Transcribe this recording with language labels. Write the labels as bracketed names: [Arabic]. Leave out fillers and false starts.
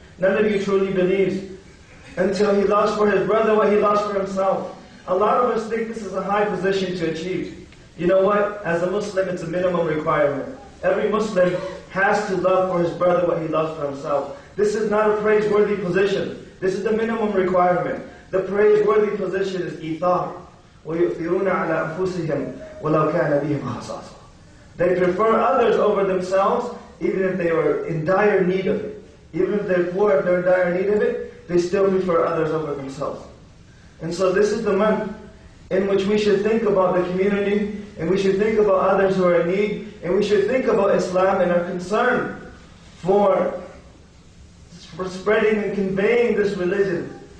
[English] None of you truly believes until he loves for his brother what he loves for himself. A lot of us think this is a high position to achieve. You know what? As a Muslim, it's a minimum requirement. Every Muslim has to love for his brother what he loves for himself. This is not a praiseworthy position. This is the minimum requirement. The praiseworthy position is [Arabic] إِثَارِ وَيُؤْثِرُونَ عَلَىٰ أَنفُسِهِمْ وَلَوْ كَانَ بِهِمْ خَصَاصَةٌ. [English] They prefer others over themselves, even if they are in dire need of it. Even if they're poor, if they're in dire need of it, they still prefer others over themselves. And so this is the month in which we should think about the community, and we should think about others who are in need, and we should think about Islam and our concern for spreading and conveying this religion.